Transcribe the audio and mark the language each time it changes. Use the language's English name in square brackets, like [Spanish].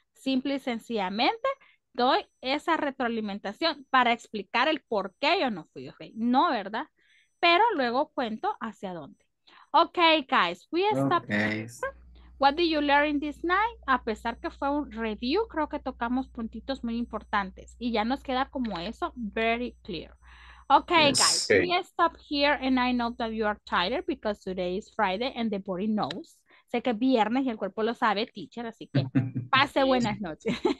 [Spanish] Simple y sencillamente doy esa retroalimentación para explicar el por qué yo no fui, okay. No, ¿verdad? Pero luego cuento hacia dónde. [English] Ok, guys, we stopped. What did you learn in this night? [Spanish] A pesar que fue un review, creo que tocamos puntitos muy importantes y ya nos queda como eso, [English] very clear. Ok, yes, guys, okay. We stop here and I know that you are tired because today is Friday and the body knows. [Spanish] Sé que es viernes y el cuerpo lo sabe, teacher, así que pase buenas noches.